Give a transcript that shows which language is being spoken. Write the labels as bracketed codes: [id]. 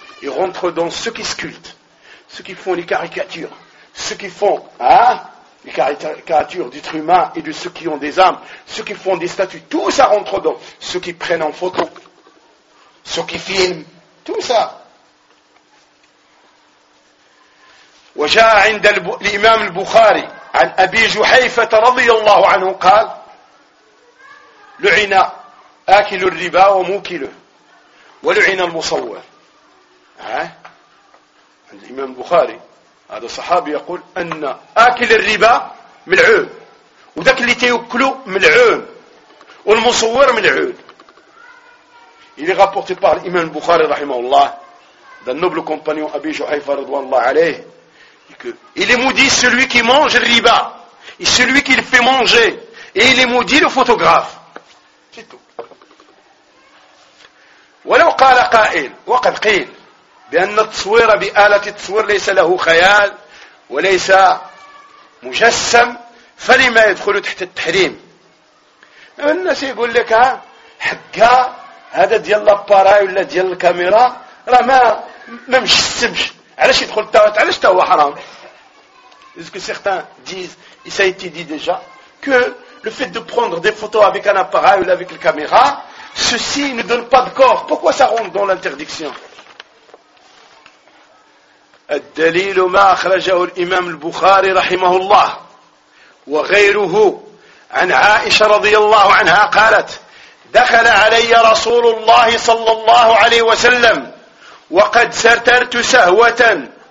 [fr] Ils rentrent dans ceux qui sculptent, ceux qui font les caricatures, ceux qui font... Hein, les caricatures d'êtres humains et de ceux qui ont des âmes, ceux qui font des statues, tout ça rentre dans ceux qui prennent en photo, ceux qui filment, tout ça. [ar] وجاء عند الإمام البخاري عن أبي جحيفة رضي الله عنه قال لعن آكل الربا وموكله ولعن المصور. عند الإمام البخاري هذا الصحابي يقول أن آكل الربا ملعون وذاك اللي تيأكله ملعون والمصور ملعون. [fr] Il est rapporté par l'imam Bukhari [ar] رحمه الله [fr] d'un noble compagnon أبي جحيفة [ar] رضي الله عليه [fr] que il est maudit celui qui mange le riba et celui qui le fait manger et il est maudit le photographe. C'est tout. [ar] ولو قال قائل وقد قيل بأن التصوير بآلة التصوير ليس له خيال وليس مجسم فلما يدخل تحت التحريم. الناس يقول لك حقا هذا ديال لاباراي ولا ديال الكاميرا راه ما مجسمش علاش يدخل التوات علاش تا هو حرام. [fr] Est-ce que certains disent et ça a été dit déjà que le fait de prendre des photos avec un appareil ou avec la caméra ceci ne donne pas de corps, pourquoi ça rentre dans l'interdiction? [ar] الدليل ما أخرجه الإمام البخاري رحمه الله وغيره عن عائشة رضي الله عنها قالت دخل علي رسول الله صلى الله عليه وسلم وقد سترت سهوة.